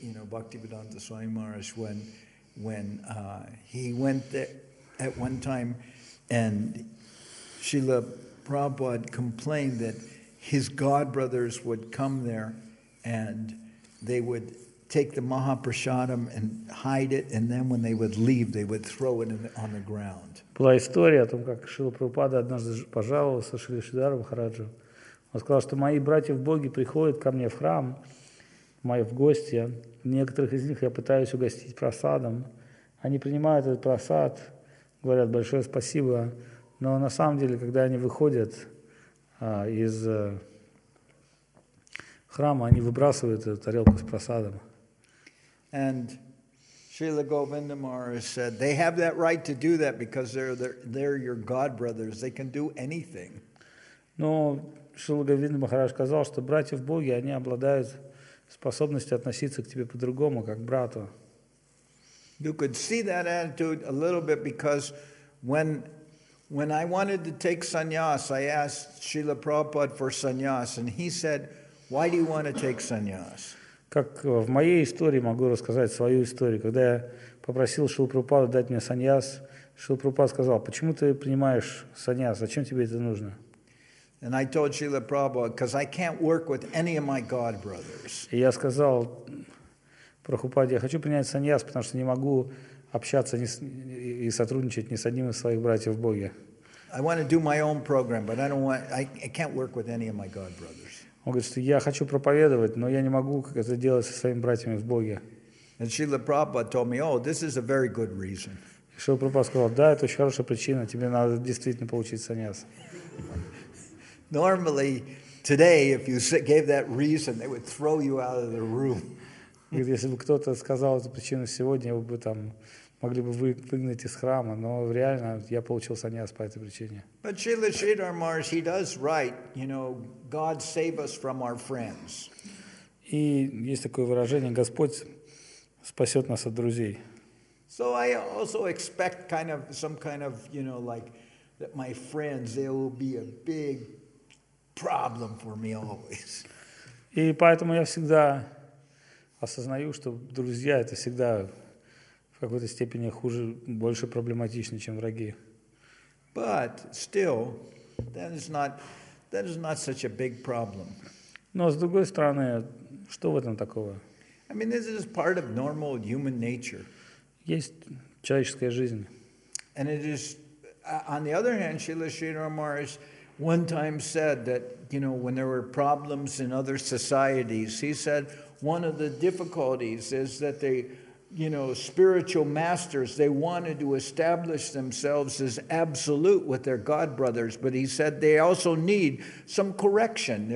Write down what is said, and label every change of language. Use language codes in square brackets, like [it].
[en] Bhaktivedanta Swami Maharaj, when he went there at one time, and Srila Prabhupada complained that his godbrothers would come there and they would take the Mahaprasadam and hide it, and then when they would leave, they would throw it on the ground. [ru] Была история о том, как Шрила Прабхупада однажды пожаловался Шри Шридхара Махараджу. Он сказал, что мои братья в Боге приходят ко мне в храм, мои в гости. Некоторых из них я пытаюсь угостить просадом. Они принимают этот просад, говорят большое спасибо, но на самом деле, когда они выходят из храма, они выбрасывают эту тарелку с просадом. [en] And Srila Govinda Maharaj said, they have that right to do that because they're your godbrothers. They can do anything. [ru] Но Шрила Говинда Махарадж сказал, что братья в Боге, они обладают способностью относиться к тебе по-другому, как к брату. [en] You could see that attitude a little bit because when I wanted to take sannyas, I asked Srila Prabhupada for sannyas, and he said, why do you want to take sannyas? [ru] Как в моей истории, могу рассказать свою историю, когда я попросил Шрилу Прабхупаду дать мне саньяс, Шрила Прабхупада сказал, почему ты принимаешь саньяс, зачем тебе это нужно? [en] And I told Srila Prabhupada, because I can't work with any of my god brothers. [ru] И я сказал Прабхупаде, я хочу принять саньяс, потому что не могу общаться и сотрудничать ни с одним из своих братьев в Боге. [en] I want to do my own program, but I can't work with any of my god brothers. [ru] Он говорит, что я хочу проповедовать, но я не могу как это делать со своими братьями в Боге. [en] And Srila Prabhupada told me, oh, this is a very good reason. [ru] Шрила Прабхупада сказал, да, это очень хорошая причина, тебе надо действительно получить саньяс. [en] Normally, today, if you gave that reason, they would throw you out of the room. [ru] Если бы кто-то сказал эту причину сегодня, его бы там могли бы выгнать из храма, но реально я получил саньяс по этой причине. [en] But Srila Sridhar Maharaj, he does write, God save us from our friends. [ru] И есть такое выражение, Господь спасет нас от друзей. [en] So I also expect that my friends, they will be a big problem for me always. [ru] И поэтому я всегда осознаю, что друзья это всегда в какой-то степени хуже, больше проблематично, чем враги. [en] But still, that is not such a big problem. [ru] Но с другой стороны, что в этом такого? [en] I mean, this is part of normal human nature. [ru] Есть человеческая жизнь. [en] And it is, on the other hand, Srila Sridhar Maharaj one time said that, when there were problems in other societies, he said one of the difficulties is that they, spiritual masters, they wanted to establish themselves as absolute with their god brothers, but he said they also need some correction.